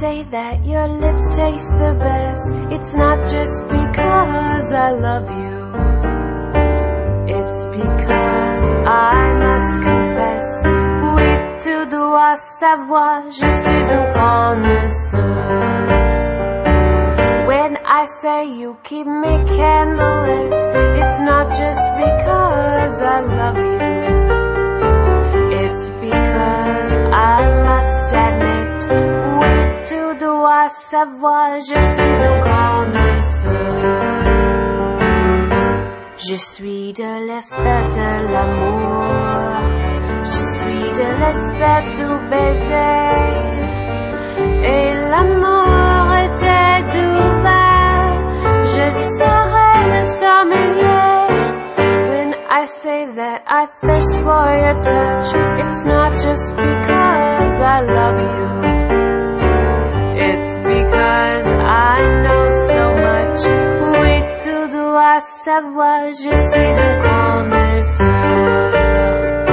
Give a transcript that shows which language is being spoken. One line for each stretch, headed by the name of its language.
English: that your lips taste the best. It's not just because I love you, it's because I must confess.
French: Oui, tu dois savoir, je suis un connaisseur.
English: When I say you keep me candlelit, it's not just because I love you, it's because I must admit.
French: Oui, tu dois savoir, je suis un connaisseur. Je suis de l'esprit de l'amour. Je suis de l'esprit du baiser. Et l'amour était douvain. Je serai le sommelier.
English: When I say that I thirst for your touch, it's not just because I love you, it's because I know so much.
French: Oui, tu dois savoir, je suis un connaisseur.